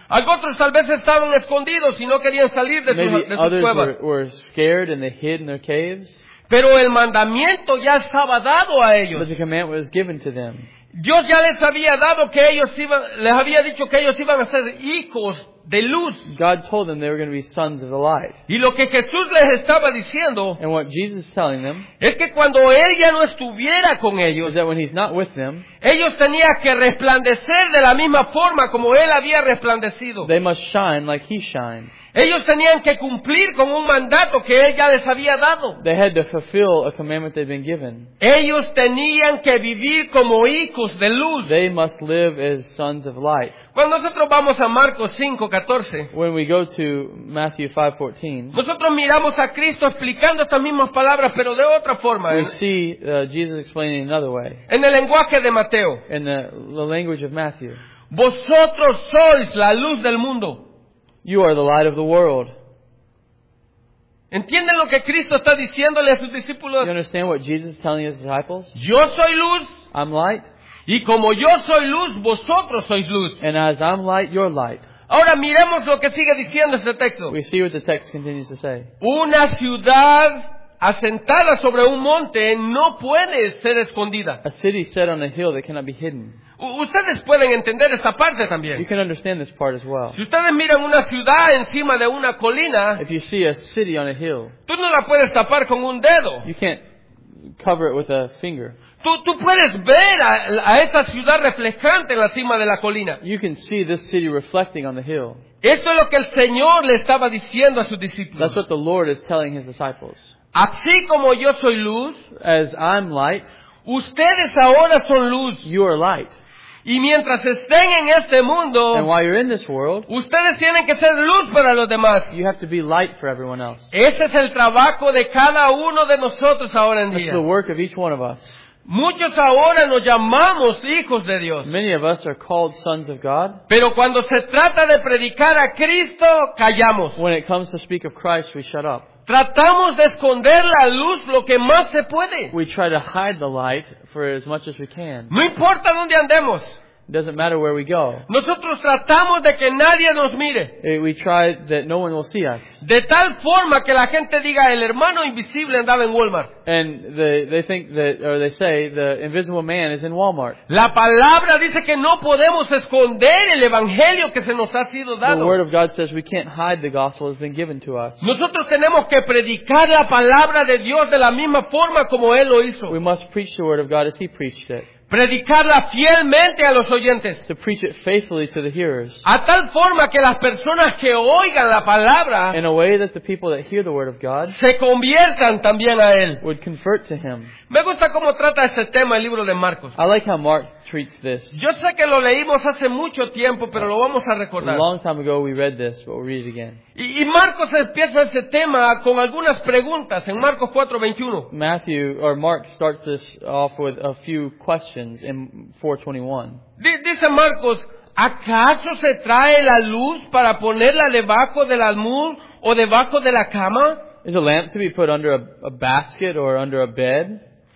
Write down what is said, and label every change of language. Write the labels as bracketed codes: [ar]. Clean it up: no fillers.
[es] Otros tal vez estaban escondidos y no querían salir. [en] Maybe others were scared and they hid in their caves. [es] Pero el mandamiento ya estaba dado a ellos. [en] But the command was given to them. [es] Dios ya les había dado que ellos iban, les había dicho que ellos iban a ser hijos de luz. [en] God told them they were going to be sons of the light. [es] Y lo que Jesús les estaba diciendo, [en] and what Jesus is telling them, [es] es que cuando él ya no estuviera con ellos, [en] is that when he's not with them, [es] ellos tenían que resplandecer de la misma forma como él había resplandecido. [en] They must shine like he shined. [es] Ellos tenían que cumplir con un mandato que él ya les había dado. [en] They had to fulfill a commandment they'd been given. [es] Ellos tenían que vivir como hijos de luz. [en] They must live as sons of light. [es] Cuando nosotros vamos a Marcos 5:14, [en] when we go to Matthew 5:14, [es] nosotros miramos a Cristo explicando estas mismas palabras, pero de otra forma. [en] We see Jesus explaining it another way. [es] En el lenguaje de Mateo. [en] In the language of Matthew. [es] Vosotros sois la luz del mundo. [en] You are the light of the world. [es] ¿Entienden lo que Cristo está diciéndole a sus discípulos? [en] You understand what Jesus is telling his disciples? [es] Yo soy luz. [en] I'm light. [es] Y como yo soy luz, vosotros sois luz. [en] And as I'm light, you're light. [es] Ahora miremos lo que sigue diciendo este texto. [en] We see what the text continues to say. [es] Una ciudad asentada sobre un monte no puede ser escondida. [en] A city set on a hill that cannot be hidden. [es] Ustedes pueden entender esta parte también. [en] You can understand this part as well. [es] Si ustedes miran una ciudad encima de una colina, [en] if you see a city on a hill, [es] tú no la puedes tapar con un dedo. [en] You can't cover it with a finger. [es] Tú puedes ver a esta ciudad reflejante en la cima de la colina. [en] You can see this city reflecting on the hill. [es] Esto es lo que el Señor le estaba diciendo a sus discípulos. [en] That's what the Lord is telling his disciples. [es] Así como yo soy luz, [en] as I'm light, [es] ustedes ahora son luz. [en] You are light. [es] Y mientras estén en este mundo, [en] and while you're in this world, [es] ustedes tienen que ser luz para los demás. [en] You have to be light for everyone else. [es] Ese es el trabajo de cada uno de nosotros ahora en día. [en] It's the work of each one of us. [es] Muchos ahora nos llamamos hijos de Dios. [en] Many of us are called sons of God. [es] Pero cuando se trata de predicar a Cristo, callamos. [en] When it comes to speak of Christ, we shut up. [es] Tratamos de esconder la luz lo que más se puede. [en] We try to hide the light for as much as we can. [es] No importa dónde andemos. [en] It doesn't matter where we go. [es] Nosotros tratamos de que nadie nos mire. [en] We try that no one will see us. [es] De tal forma que la gente diga el hermano invisible andaba en Walmart. [en] And they think that, or they say the invisible man is in Walmart. [es] La palabra dice que no podemos esconder el evangelio que se nos ha sido dado. [en] The word of God says we can't hide the gospel that's been given to us. [es] Nosotros tenemos que predicar la palabra de Dios de la misma forma como él lo hizo. [en] We must preach the word of God as he preached it. [es] Predicarla fielmente a los oyentes. [en] To preach it faithfully to the hearers. [es] A tal forma que las personas que oigan la palabra, [en] in a way that the people that hear the word of God, [es] se conviertan también a él. [en] Would convert to him. [es] Me gusta cómo trata este tema el libro de Marcos. [en] I like how Mark treats this. [es] Yo sé que lo leímos hace mucho tiempo, pero lo vamos a recordar. [en] A long time ago we read this, but we'll read it again. [es] Y Marcos empieza este tema con algunas preguntas en Marcos 4:21. [en] Matthew or Mark starts this off with a few questions in 4:21. [es] Dice Marcos, ¿acaso se trae la luz para ponerla debajo del almud o debajo de la cama? [en] Is a lamp to be put under a basket or under a bed?